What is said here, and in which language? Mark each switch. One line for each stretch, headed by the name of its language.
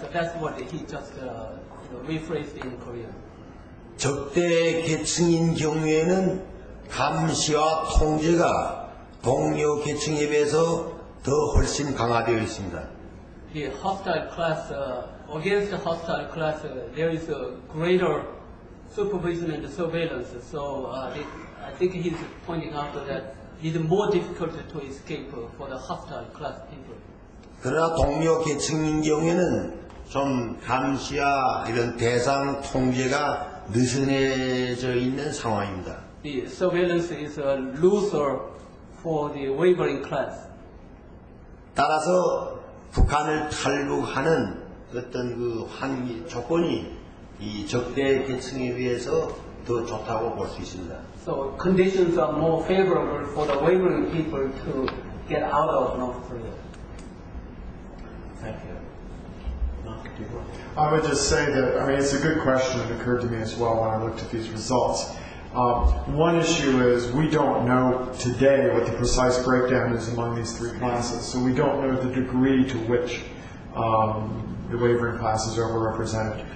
English: So that's what he just rephrased in Korean.
Korean: 적대 계층인 경우에는 감시와 통제가 동료 계층에 비해서 더 훨씬 강화되어 있습니다.
English: The hostile class, against the hostile class, there is a greater supervision and surveillance. So I think he's pointing out that it's more difficult to escape for the hostile class people.
Korean: 그러나 동료 계층인 경우에는 좀 감시와 이런 대상 통제가 느슨해져 있는 상황입니다.
English: The surveillance is looser for the wavering class.
Korean: 따라서 북한을 탈북하는 어떤 그 환기 조건이 이 적대 계층에 비해서 더 좋다고 볼 수 있습니다.
English: So conditions are more favorable for the wavering people to get out of North Korea. Thank you. I would just say that, I mean, it's a good question that occurred to me as well when I looked at these results. One issue is we don't know today what the precise breakdown is among these three classes, so we don't know the degree to which the wavering classes are overrepresented.